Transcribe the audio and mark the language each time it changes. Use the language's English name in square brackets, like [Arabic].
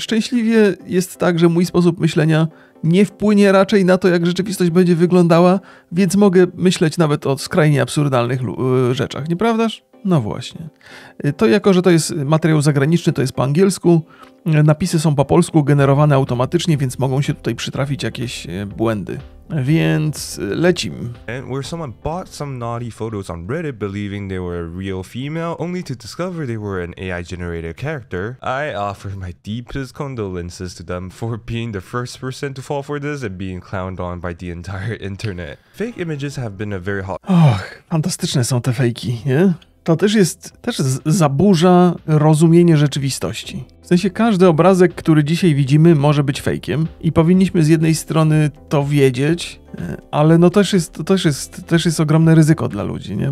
[Polish] Szczęśliwie jest tak, że mój sposób myślenia nie wpłynie raczej na to, jak rzeczywistość będzie wyglądała, więc mogę myśleć nawet o skrajnie absurdalnych rzeczach, nieprawdaż? No właśnie. To jako, że to jest materiał zagraniczny, to jest po angielsku, napisy są po polsku, generowane automatycznie, więc mogą się tutaj przytrafić jakieś błędy. Więc lecim. [English] And where someone bought some naughty photos on Reddit believing they were a real female only to discover they were an AI generated character, I offer my deepest condolences to them for being the first person to fall for this and being clowned on by the entire internet. Fake images have been a very hot... [Polish] Och, fantastyczne są te fejki, nie? To też jest, też zaburza rozumienie rzeczywistości. W sensie każdy obrazek, który dzisiaj widzimy, może być fejkiem i powinniśmy z jednej strony to wiedzieć, ale no też jest ogromne ryzyko dla ludzi, nie?